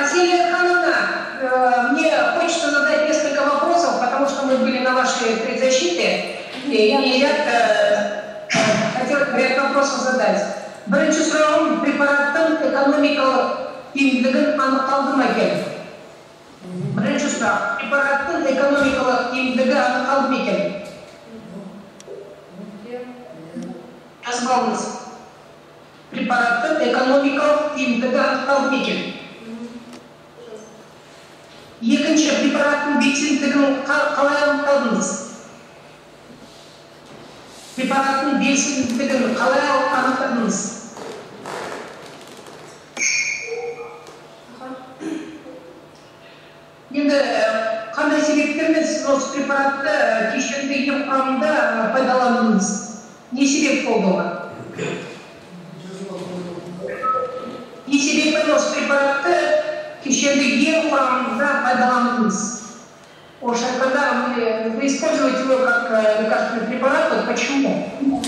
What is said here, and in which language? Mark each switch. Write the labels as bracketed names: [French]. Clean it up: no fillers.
[Russian] Василия Ивановна, мне хочется задать несколько вопросов, потому что мы были на вашей предзащите, и я хотела бы ряд вопросов задать. [Kazakh] Бірінші сұрағым препараттың экономикалық тиімділігін анықталдым екен. Бірінші сұрақ, препараттың экономикалық тиімділігі анықталдым екен. Жазып алыңыз. Препараттың экономикалық тиімділігі анықталдым екен. Екінші, препараттың белсенділігін қалай анықталдыңыз? Препараттың белсенділігін қалай анықталдыңыз? Енді қандай себептермен сіз осы препаратты кешендеген құрамында пайдаландыңыз? Не себеп болды оған? Не себептен осы препаратты кешендеген құрамында пайдаландыңыз? [Russian] Оша қанда вы используете его как лекарственный препарат, вот почему?